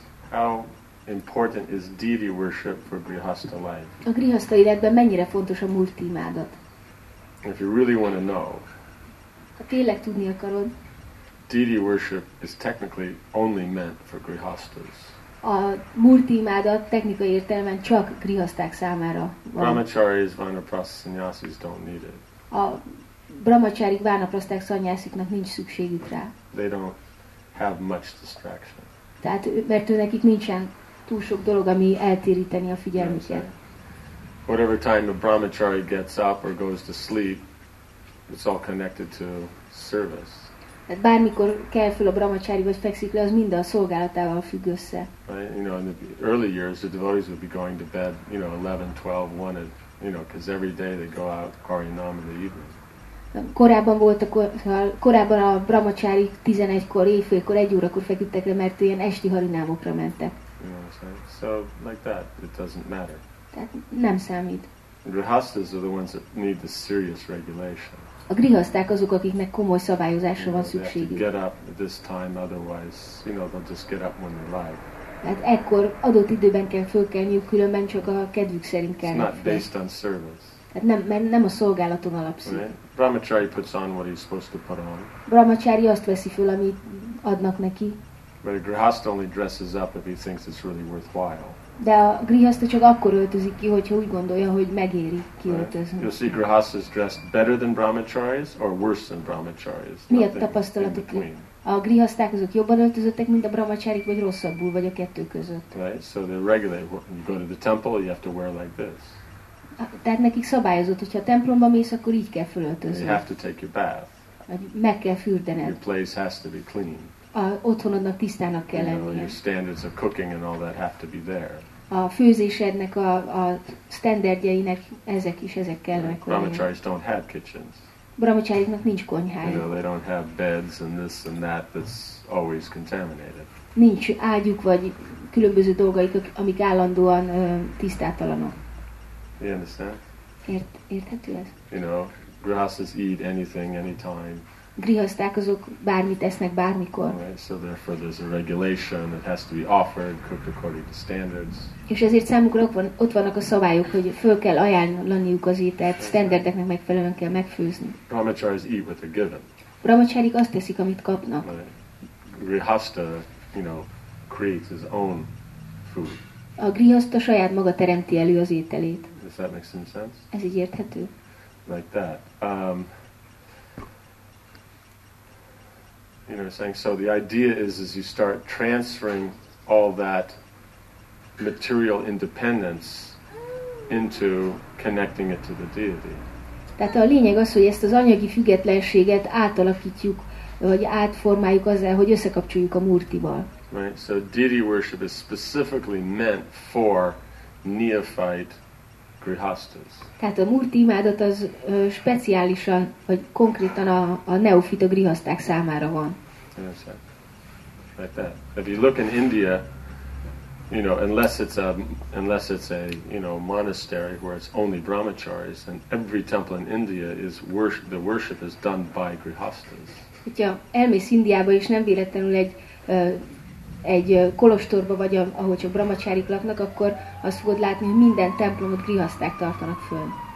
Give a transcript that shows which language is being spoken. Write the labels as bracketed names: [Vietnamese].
[English] How important is deity worship for grihastha life? [Hungarian] A grihastha életben mennyire fontos a murti imádat? [English] If you really want to know, [Hungarian] ha tényleg tudni akarod, [English] deity worship is technically only meant for grihasthas. [Hungarian] A murti imádat technikai értelemben csak grihaszták számára van. [English] Brahmacharis, vanaprasth sannyasis don't need it. [Hungarian] A brahmacharik, vanaprasthák, szanyásziknak nincs szükségük rá. [English] They don't have much distraction. [Hungarian] Tehát, mert őnekik nincsen túl sok dolog, ami eltéríteni a figyelmüket. [English] Whatever time a brahmachari gets up or goes to sleep, it's all connected to service. [Hungarian] Tehát bármikor kell fel a brahmachari, vagy fekszik le, az mind a szolgálatával függ össze. [English] Right? You know, in the early years, the devotees would be going to bed, you know, 11, 12, 1, you know, because every day they go out, Harinam in the evening. [Hungarian] Korábban volt korábban a brahmacsári 11-kor, éjfélkor, 1 órakor feküdtek le, mert ilyen esti harinámokra mentek. [English] So, like that, it doesn't matter. [Hungarian] Tehát nem számít. [English] Grihasthas are the ones that need the serious regulation. [Hungarian] A grihaszták azok, akiknek komoly szabályozásra van szükségük. [English] Get up this time, otherwise, you know, they'll just get up when they like. [Hungarian] Hát ekkor adott időben kell fölkelniük, különben csak a kedvük szerint kell. [English] It's not based on service. [Hungarian] Hát nem a szolgálaton alapszik. [English] Right? Brahmachari puts on what he's supposed to put on. [Hungarian] Brahmachari azt veszi föl, amit adnak neki. [English] But a grihaszta only dresses up if he thinks it's really worthwhile. [Hungarian] De a grihaszta csak akkor öltözik ki, hogyha úgy gondolja, hogy megéri kiöltözni. [English] Right. You see grihasthas dressed better than brahmacharis or worse than brahmacharis. [Hungarian] Mi a tapasztalatok? A grihaszták azok jobban öltözöttek, mint a brahmacharik, vagy rosszabbul, vagy a kettő között. [English] Right, so they regulate. When you go to the temple, you have to wear like this. [Hungarian] Tehát nekik szabályozott, hogyha templomba mész, akkor így kell fölöltözni. [English] You have to take your bath. [Hungarian] Meg kell fürdened. [English] Your place has to be clean. [Hungarian] A otthonodnak tisztának kell lennie. [English] Your standards of cooking and all that have to be there. [Hungarian] A főzésednek a standardjeinek ezek kellnek. [English] Brahmacharis don't have kitchens. [Hungarian] Brahmacháriknak nincs konyhája. [English] You know, they don't have beds and this and that that's always contaminated. [Hungarian] Nincs ágyuk vagy különböző dolgaik, amik állandóan tisztátalanok. [English] You understand? [Hungarian] Érthető ez? [English] You know, grihasthas eat anything, anytime. [Hungarian] Grihaszták azok bármit esznek bármikor. [English] Right, so therefore there's a regulation that has to be offered, cooked according to standards. [Hungarian] És ezért számukra ott vannak a szabályok, hogy föl kell ajánlaniuk az ételt, standardeknek megfelelően kell megfőzni. [English] Brahmacharis eat what they're given. [Hungarian] Brahmacharik azt teszik, amit kapnak. [English] Grihastha, you know, creates his own food. [Hungarian] A grihaszta saját maga teremti elő az ételét. [English] Does that make some sense? [Hungarian] Ez így érthető? [English] Like that. You know, saying so. The idea is, as you start transferring all that material independence into connecting it to the deity. [Hungarian] Tehát a lényeg az, hogy ezt az anyagi függetlenséget átalakítjuk, vagy átformáljuk azzal, hogy összekapcsoljuk a Murtival. [English] Right. So deity worship is specifically meant for neophyte grihasthas. [Hungarian] Tehát a Murti imádat az speciálisan, vagy konkrétan a neofita grihaszták számára van. [English] Like that. If you look in India, you know, unless it's a you know monastery where it's only brahmacharis, then every temple in India is worship. The worship is done by grihasthas. [Hungarian] Hogyha elmész Indiába és nem véletlenül egy kolostorba vagy ahol csak brahmacharik laknak, akkor azt fogod látni, hogy minden templomot grihaszták tartanak föl.